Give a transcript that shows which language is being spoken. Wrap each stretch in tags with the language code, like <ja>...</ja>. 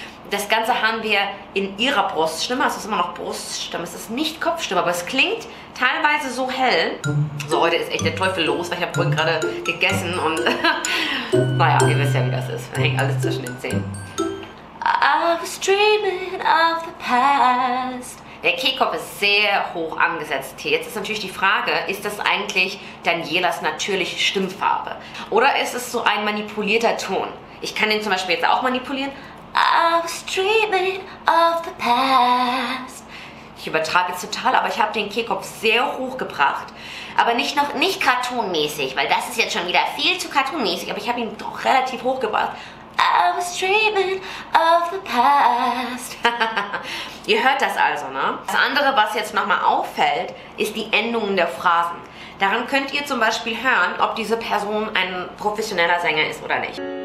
<de>Das Ganze haben wir in ihrer Bruststimme. Es ist immer noch Bruststimme. Es ist nicht Kopfstimme, aber es klingt teilweise so hell. So, heute ist echt der Teufel los, weil ich habe vorhin gerade gegessen und naja, ihr wisst ja, wie das ist. Hängt alles zwischen den Zähnen.</de> <en>I was dreaming of the past.</en> <de>Der Kehlkopf ist sehr hoch angesetzt hier. Jetzt ist natürlich die Frage, ist das eigentlich Danielas natürliche Stimmfarbe? Oder ist es so ein manipulierter Ton? Ich kann den zum Beispiel jetzt auch manipulieren.</de> <en>I was dreaming of the past.</en> <de>Ich übertrage jetzt total, aber ich habe den Kehlkopf sehr hoch gebracht. Aber nicht cartoonmäßig, weil das ist jetzt schon wieder viel zu cartoonmäßig, aber ich habe ihn doch relativ hoch gebracht.</de> <en>I was dreaming of the past.</en> <de>Ihr hört das also, ne? Das andere, was jetzt nochmal auffällt, ist die Endung der Phrasen. Daran könnt ihr zum Beispiel hören, ob diese Person ein professioneller Sänger ist oder nicht.</de>